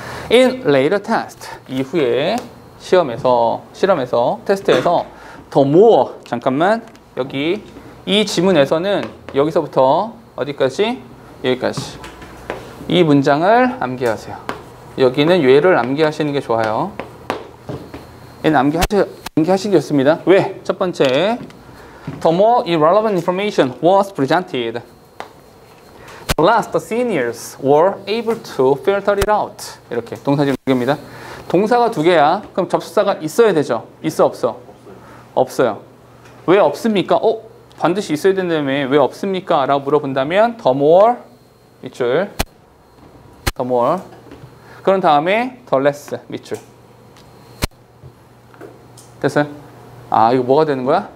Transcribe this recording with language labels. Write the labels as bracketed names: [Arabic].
[English] In later test [Korean] 이후에 실험에서 테스트에서 더 more 잠깐만 여기 이 지문에서는 여기서부터 어디까지? 여기까지 이 문장을 암기하세요. 여기는 예를 암기하시는 게 좋아요. 암기하시는 게 좋습니다. 왜? 첫 번째 [English] The more irrelevant information was presented The less the seniors were able to filter it out [Korean] 이렇게 동사 지문 두 개입니다. 동사가 두 개야 그럼 접속사가 있어야 되죠. 있어 없어? 없어요. 왜 없습니까? 반드시 있어야 된다며 왜 없습니까? 라고 물어본다면 the more 밑줄 the more 그런 다음에 the less 밑줄 됐어요? 아 이거 뭐가 되는 거야?